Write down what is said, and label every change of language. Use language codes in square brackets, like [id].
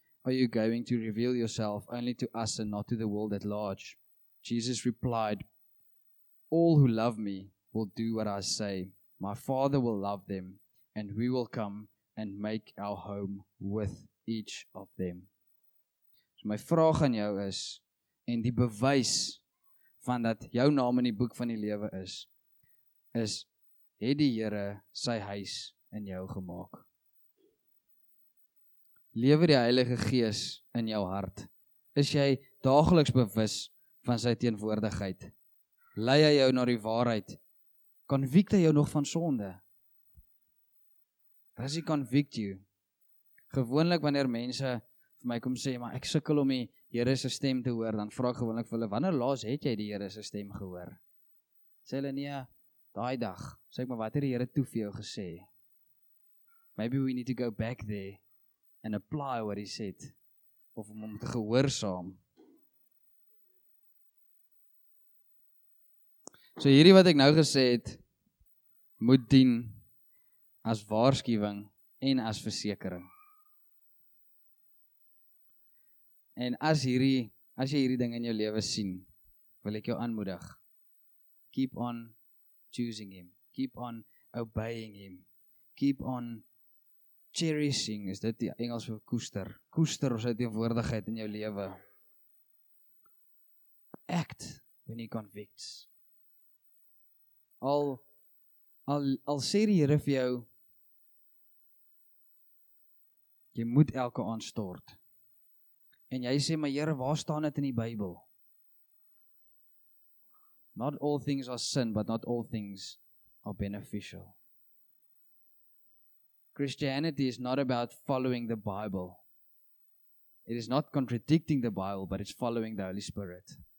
[en] are you going to reveal yourself only to us and not to the world at large? Jesus replied, all who love me will do what I say. My Father will love them, and we will come and make our home with each of them. [af] So my vraag aan jou is, en die bewys van dat jou naam in die boek van die lewe is, is, het die Here sy huis in jou gemaak? Lewe die Heilige Gees in jou hart? Is jy dageliks bewus van sy teenwoordigheid? Lei hy jou na die waarheid? Convict hy jou nog van sonde? [en] Does he convict you? [af] Gewoonlik wanneer mense vir my kom sê, maar ek sukkel om die Here se stem te hoor, dan vraag gewoonlik vir hulle, wanneer laas het jy die Here se stem gehoor? Sê hulle nee, daai dag. Sê ek maar, wat het die Here toe vir jou gesê? [en] Maybe we need to go back there and apply what he said, [af] of om hom te gehoorsaam. So hierdie wat ek nou gesê het, moet dien as waarskuwing en as versekering. En as jy hierdie ding in jou lewe sien, wil ek jou aanmoedig. [en] Keep on choosing him. Keep on obeying him. Keep on cherishing, [af] is dit die Engels vir koester. Koester sy teenwoordigheid in jou lewe. [en] Act when he convicts. [af] Al sê die Here vir jou, jy moet elke aand stort. En jy sê, maar Here, waar staan dit in die Bybel? [en] Not all things are sin, but not all things are beneficial. Christianity is not about following the Bible. It is not contradicting the Bible, but it's following the Holy Spirit.